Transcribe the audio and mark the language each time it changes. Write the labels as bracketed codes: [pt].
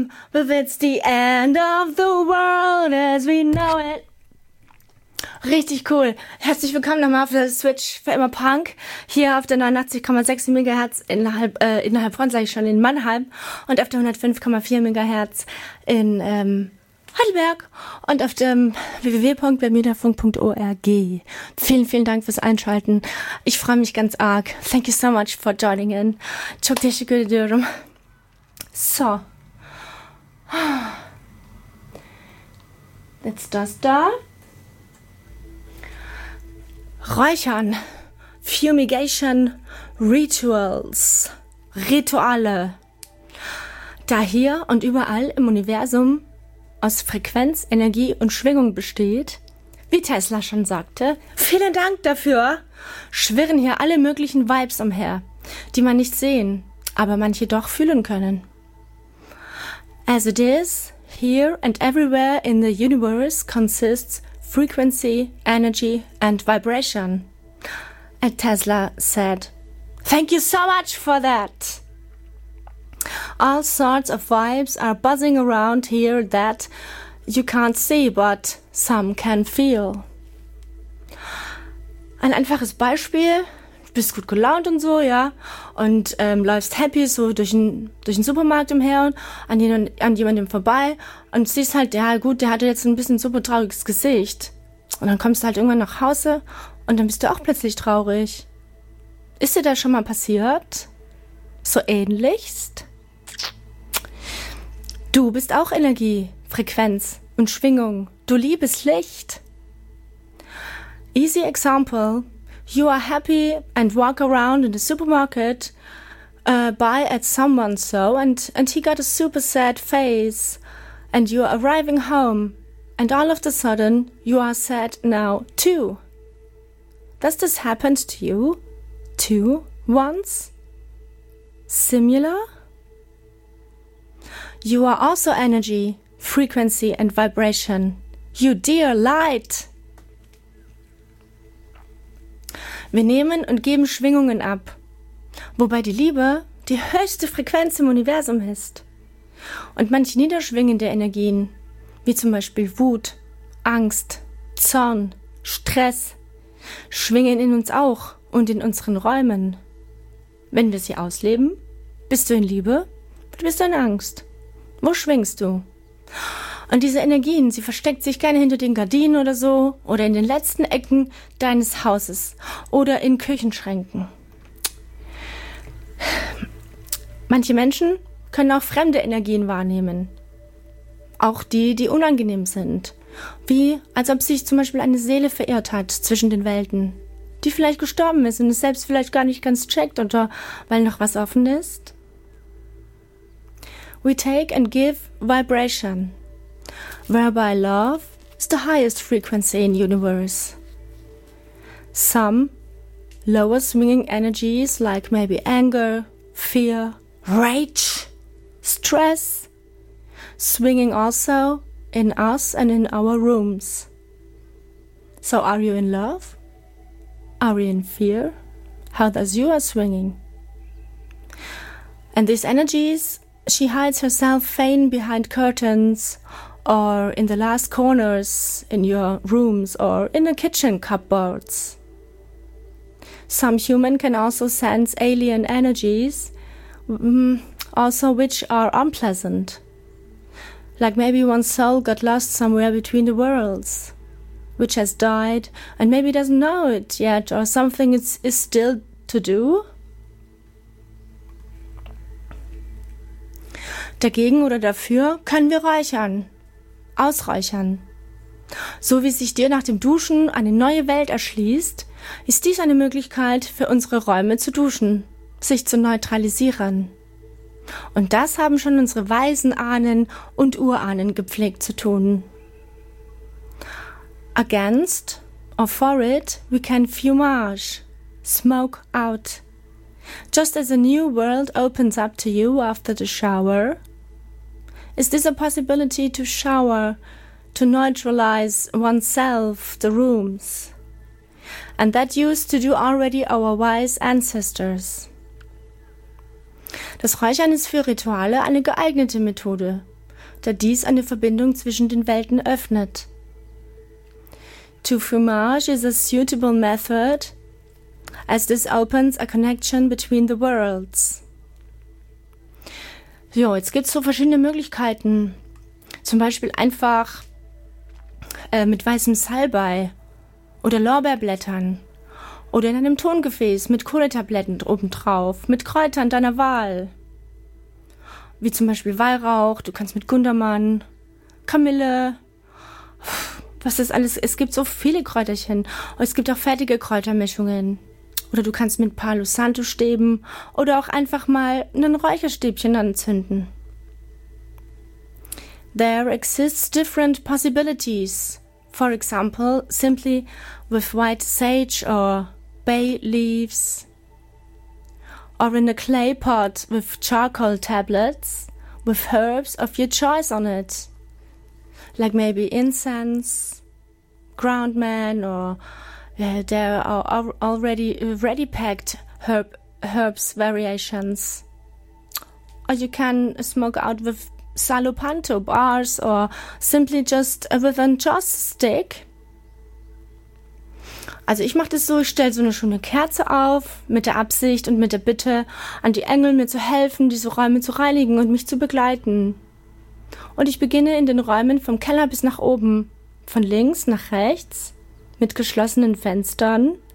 [en] But it's the end of the world as we know it. [de] Richtig cool. Herzlich willkommen nochmal auf der Switch für immer Punk. Hier auf der 89,6 MHz innerhalb von, sage ich schon, in Mannheim. Und auf der 105,4 MHz in Heidelberg. Und auf dem www.bermudafunk.org. Vielen, vielen Dank fürs Einschalten. Ich freue mich ganz arg. [en] Thank you so much for joining in. [tr] Çok teşekkür ediyorum. So. [de] Jetzt das da. Räuchern. [en] Fumigation Rituals. [de] Rituale. Da hier und überall im Universum aus Frequenz, Energie und Schwingung besteht, wie Tesla schon sagte, vielen Dank dafür, schwirren hier alle möglichen Vibes umher, die man nicht sehen, aber manche doch fühlen können. [en] As it is, here and everywhere in the universe consists frequency, energy and vibration. And Tesla said, thank you so much for that. All sorts of vibes are buzzing around here that you can't see, but some can feel. [de] Ein einfaches Beispiel. Du bist gut gelaunt und so, ja, und läufst happy so durch den Supermarkt umher und an jemandem vorbei und siehst halt, ja gut, der hatte jetzt ein bisschen super trauriges Gesicht. Und dann kommst du halt irgendwann nach Hause und dann bist du auch plötzlich traurig. Ist dir das schon mal passiert? So ähnlichst? Du bist auch Energie, Frequenz und Schwingung. Du liebes Licht. [en] Easy example. You are happy and walk around in the supermarket, buy at someone's so, and he got a super sad face, and you are arriving home, and all of a sudden, you are sad now too. Does this happen to you too once? Similar? You are also energy, frequency and vibration. You dear light! [de] Wir nehmen und geben Schwingungen ab, wobei die Liebe die höchste Frequenz im Universum ist. Und manche niederschwingende Energien, wie zum Beispiel Wut, Angst, Zorn, Stress, schwingen in uns auch und in unseren Räumen. Wenn wir sie ausleben, bist du in Liebe oder bist du in Angst? Wo schwingst du? Und diese Energien, sie versteckt sich gerne hinter den Gardinen oder so oder in den letzten Ecken deines Hauses oder in Küchenschränken. Manche Menschen können auch fremde Energien wahrnehmen. Auch die, die unangenehm sind. Wie als ob sich zum Beispiel eine Seele verirrt hat zwischen den Welten, die vielleicht gestorben ist und es selbst vielleicht gar nicht ganz checkt oder weil noch was offen ist. [en] We take and give vibration, whereby love is the highest frequency in universe. Some lower swinging energies like maybe anger, fear, rage, stress, swinging also in us and in our rooms. So are you in love? Are you in fear? How does you are swinging? And these energies, she hides herself fain behind curtains or in the last corners in your rooms or in the kitchen cupboards. Some human can also sense alien energies, also which are unpleasant. Like maybe one soul got lost somewhere between the worlds, which has died and maybe doesn't know it yet or something is still to do. [de] Dagegen oder dafür können wir räuchern, ausräuchern. So wie sich dir nach dem Duschen eine neue Welt erschließt, ist dies eine Möglichkeit für unsere Räume zu duschen, sich zu neutralisieren. Und das haben schon unsere weisen Ahnen und Urahnen gepflegt zu tun. [en] Against or for it, we can fumage, smoke out. Just as a new world opens up to you after the shower. Is this a possibility to shower, to neutralize oneself, the rooms? And that used to do already our wise ancestors. [de] Das Räuchern ist für Rituale eine geeignete Methode, da dies eine Verbindung zwischen den Welten öffnet. [en] To fumage is a suitable method, as this opens a connection between the worlds. [de] Jo, jetzt gibt's so verschiedene Möglichkeiten. Zum Beispiel einfach mit weißem Salbei oder Lorbeerblättern. Oder in einem Tongefäß mit Kohletabletten obendrauf, mit Kräutern deiner Wahl. Wie zum Beispiel Weihrauch, du kannst mit Gundermann, Kamille, was ist alles, es gibt so viele Kräuterchen. Und es gibt auch fertige Kräutermischungen. Oder du kannst mit Palo Santo Stäben oder auch einfach mal ein Räucherstäbchen anzünden. [en] There exists different possibilities. For example, simply with white sage or bay leaves, or in a clay pot with charcoal tablets with herbs of your choice on it, like maybe incense, ground man, or there are already ready packed herbs variations. Or you can smoke out with salopanto bars or simply just with a joss stick. [de] Also ich mache das so, ich stelle so eine schöne Kerze auf, mit der Absicht und mit der Bitte an die Engel, mir zu helfen, diese Räume zu reinigen und mich zu begleiten. Und ich beginne in den Räumen vom Keller bis nach oben, von links nach rechts, mit geschlossenen Fenstern.